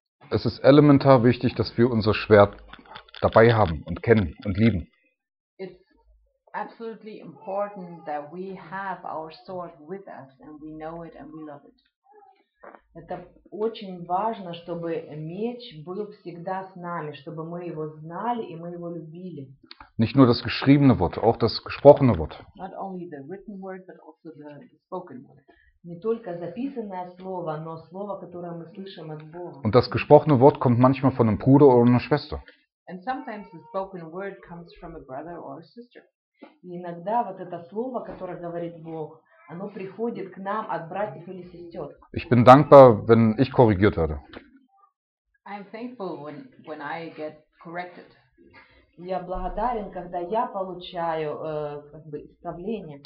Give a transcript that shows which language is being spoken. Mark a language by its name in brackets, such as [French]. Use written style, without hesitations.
[German] Es ist elementar wichtig, dass wir unser Schwert dabei haben und kennen und lieben. [English] It's absolutely important that we have our sword with us and we know it and we love it. [Russian] Это очень важно, чтобы меч был всегда с нами, чтобы мы его знали и мы его любили. [German] Nicht nur das geschriebene Wort, auch das gesprochene Wort. [English] Not only the written word, but also the spoken word. [Russian] Не только записанное слово, но слово, которое мы слышим от Бога. [German] Und das gesprochene Wort kommt manchmal von einem Bruder oder einer Schwester. [English] And sometimes the spoken word comes from a brother or a sister. [Russian] И иногда вот это слово, которое говорит Бог, оно приходит к нам от братьев или сестер. [German] Ich bin dankbar, wenn ich korrigiert werde. [English] I'm thankful when I get corrected. [Russian] Я благодарен, когда я получаю как бы исправление.